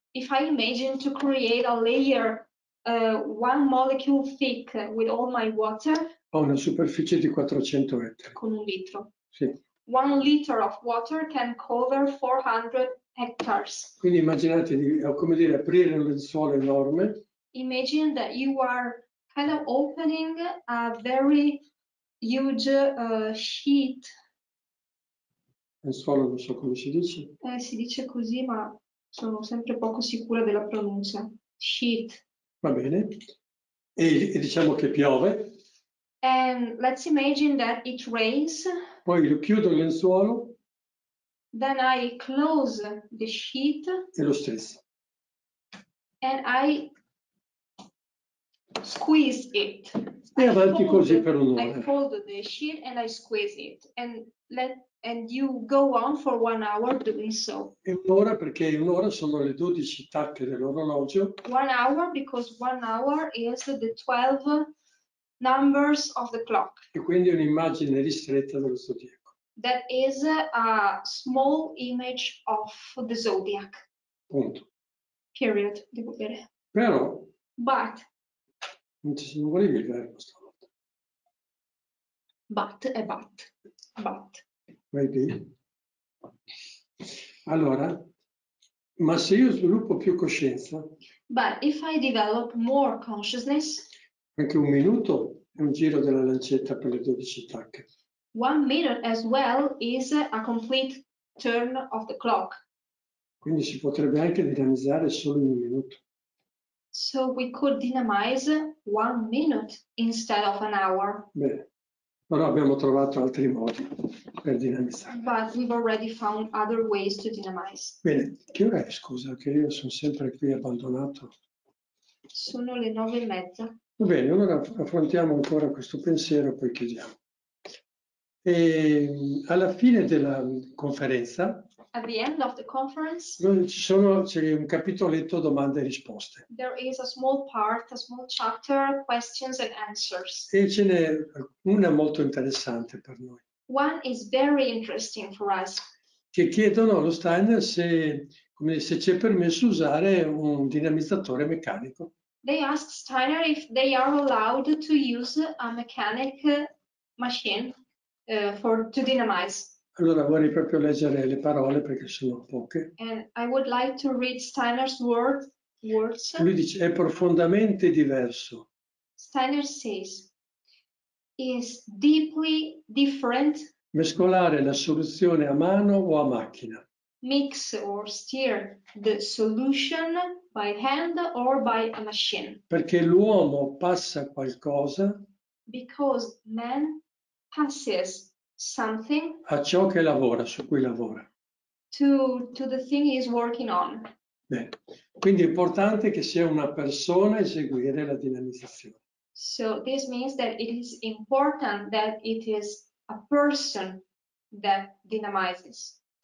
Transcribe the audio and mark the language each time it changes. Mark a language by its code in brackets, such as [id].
[en] if I imagine to create a layer one molecule thick with all my water, [it] ho una superficie di 400 ettari con un litro. Sì. [en] 1 liter of water can cover 400 hectares. [it] Quindi immaginate di, come dire, aprire un lenzuolo enorme. [en] Imagine that you are kind of opening a very huge sheet. [it] Lenzuolo, non so come si dice. Si dice così, ma sono sempre poco sicura della pronuncia. [en] Sheet. [it] Va bene. E diciamo che piove. [en] And let's imagine that it rains. [it] Poi lo chiudo il lenzuolo. [en] Then I close the sheet. [it] È lo stesso. [en] And I squeeze it. [it] E avanti così per un'ora. [en] I fold the sheet and I squeeze it. And you go on for 1 hour doing so. [it] E un'ora, perché un'ora sono le 12 tacche dell'orologio. [en] 1 hour, because 1 hour is the 12 numbers of the clock. [it] E quindi un'immagine ristretta dello zodiaco. [en] That is a small image of the zodiac. [it] Punto. [en] Period, [it] devo dire. Però. [en] But. [it] Non ci sono voluti vedere questa volta. [en] But [it] e [en] but. But. Maybe. [it] Allora, ma se io sviluppo più coscienza, [en] but if I develop more consciousness, [it] anche un minuto è un giro della lancetta per le 12 tacche. [en] 1 minute as well is a complete turn of the clock. [it] Quindi si potrebbe anche dinamizzare solo in un minuto. [en] So we could dynamize 1 minute instead of an hour. [it] Bene. Però abbiamo trovato altri modi per dinamizzare. [en] But we've already found other ways to dynamize. [it] Bene, che ora è? Scusa, che io sono sempre qui abbandonato. Sono le 9:30. Va bene, allora affrontiamo ancora questo pensiero e poi chiudiamo. E alla fine della conferenza, [en] at the end of the conference, [it] c'è un capitoletto domande e risposte. [en] There is a small part, a small chapter, questions and answers. [it] E ce n'è una molto interessante per noi. [en] One is very interesting for us. [it] Che chiedono allo Steiner se come se ci è permesso usare un dinamizzatore meccanico. [en] They asked Steiner if they are allowed to use a mechanic machine to dynamize. [it] Allora vorrei proprio leggere le parole perché sono poche. [en] And I would like to read Steiner's words. [it] Lui dice è profondamente diverso. [en] Steiner says is deeply different. [it] Mescolare la soluzione a mano o a macchina. [en] Mix or stir the solution by hand or by a machine. [it] Perché l'uomo passa qualcosa. [en] Because man passes something. [it] A ciò che lavora, su cui lavora. [en] To the thing he is working on. [it] Bene. Quindi è importante che sia una persona a eseguire la dinamizzazione. [en] So this means that it is important that it is a person that dynamizes.